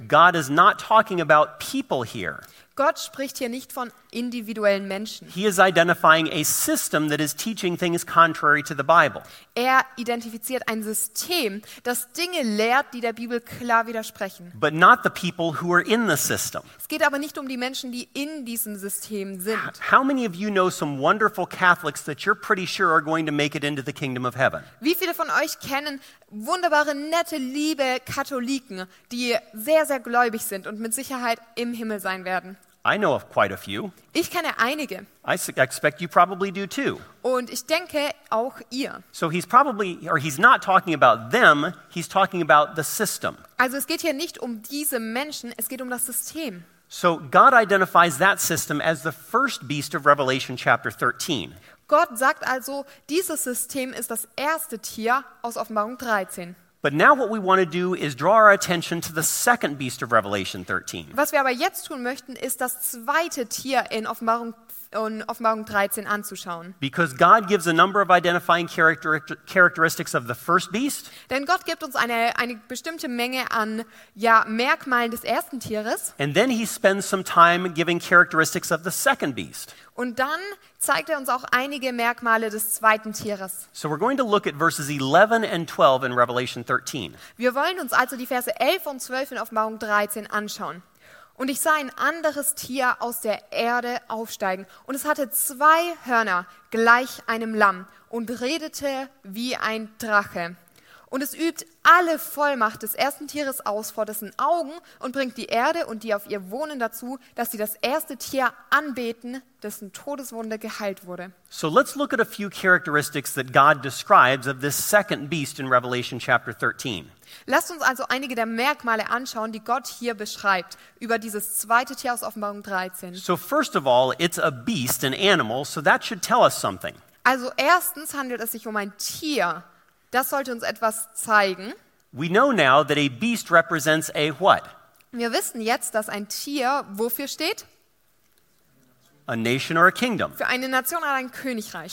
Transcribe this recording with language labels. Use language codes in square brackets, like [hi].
[en] God is not talking about people here. [de] Gott spricht hier nicht von individuellen Menschen. [en] He is identifying a system that is teaching things contrary to the Bible. [de] Er identifiziert ein System, das Dinge lehrt, die der Bibel klar widersprechen. [en] But not the people who are in the system. [de] Es geht aber nicht um die Menschen, die in diesem System sind. [en] How many of you know some wonderful Catholics that you're pretty sure are going to make it into the kingdom of heaven? [de] Wie viele von euch kennen wunderbare, nette, liebe Katholiken, die sehr, sehr gläubig sind und mit Sicherheit im Himmel sein werden? [en] I know of quite a few. [de] Ich kenne einige. [en] I expect you probably do too. [de] Und ich denke auch ihr. [en] So he's not talking about them, he's talking about the system. [de] Also es geht hier nicht um diese Menschen, es geht um das System. [en] So God identifies that system as the first beast of Revelation chapter 13. [de] Gott sagt also, dieses System ist das erste Tier aus Offenbarung 13. [en] But now what we want to do is draw our attention to the second beast of Revelation 13. [de] Was wir aber jetzt tun möchten, ist das zweite Tier in Offenbarung 13 anzuschauen. [en] Because God gives a number of identifying characteristics of the first beast. [de] Denn Gott gibt uns eine bestimmte Menge an, ja, Merkmalen des ersten Tieres. [en] And then he spends some time giving characteristics of the second beast. [de] Und dann zeigt er uns auch einige Merkmale des zweiten Tieres. [en] So we're going to look at verses 11 and 12 in Revelation 13. [de] Wir wollen uns also die Verse 11 und 12 in Offenbarung 13 anschauen. Und ich sah ein anderes Tier aus der Erde aufsteigen. Und es hatte zwei Hörner, gleich einem Lamm, und redete wie ein Drache. und es übt alle Vollmacht des ersten Tieres aus vor dessen Augen und bringt die Erde und die auf ihr wohnen dazu, dass sie das erste Tier anbeten, dessen Todeswunde geheilt wurde. [en] So let's look at a few characteristics that God describes of this second beast in Revelation chapter 13. [de] Lasst uns also einige der Merkmale anschauen, die Gott hier beschreibt über dieses zweite Tier aus Offenbarung 13. [en] So first of all, it's a beast, an animal, so that should tell us something. [de] Also erstens handelt es sich um ein Tier. Das sollte uns etwas zeigen. [en] We know now that a beast represents a what? [de] Wir wissen jetzt, dass ein Tier wofür steht? [en] A nation or a kingdom. [de] Für eine Nation oder ein Königreich.